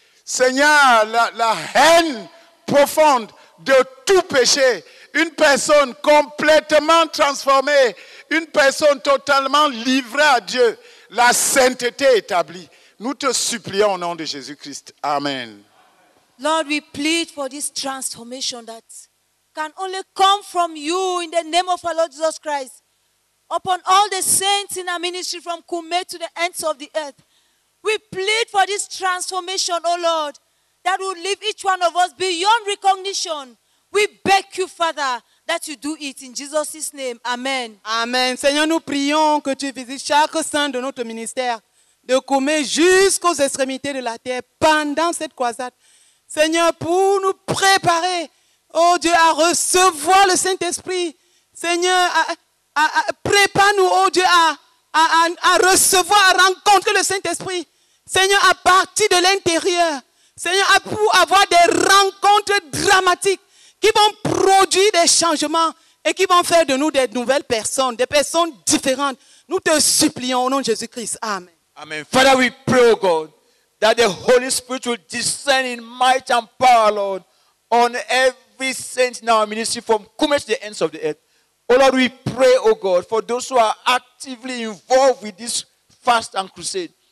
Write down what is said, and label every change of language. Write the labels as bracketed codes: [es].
[fr] Seigneur, la haine profonde de tout péché. Une personne complètement transformée. Une personne totalement livrée à Dieu. La sainteté établie. Nous te supplions au nom de Jésus-Christ. Amen. [en] Lord, we plead for this transformation that can only come from you in the name of our Lord Jesus Christ. Upon all the saints in our ministry from Kume to the ends of the earth, we plead for this transformation, O Lord, that will leave each one of us beyond recognition. We beg you, Father, that you do it in Jesus' name. Amen. Amen. [fr] Seigneur, nous prions que tu visites chaque saint de notre ministère. De commer jusqu'aux extrémités de la terre pendant cette croisade. Seigneur, pour nous préparer, oh Dieu, à recevoir le Saint-Esprit. Seigneur, prépare-nous, oh Dieu, à recevoir, à rencontrer le Saint-Esprit. Seigneur, à partir de l'intérieur. Seigneur, pour avoir des rencontres dramatiques qui vont produire des changements et qui vont faire de nous des nouvelles personnes, des personnes différentes. Nous te supplions au nom de Jésus-Christ. Amen. Amen. [en] Father, we pray, oh God, that the Holy Spirit will descend in might and power, Lord, on every saint in our ministry from Kume to the ends of the earth. Oh Lord, we pray, oh God, for those who are actively involved with this fast and crusade.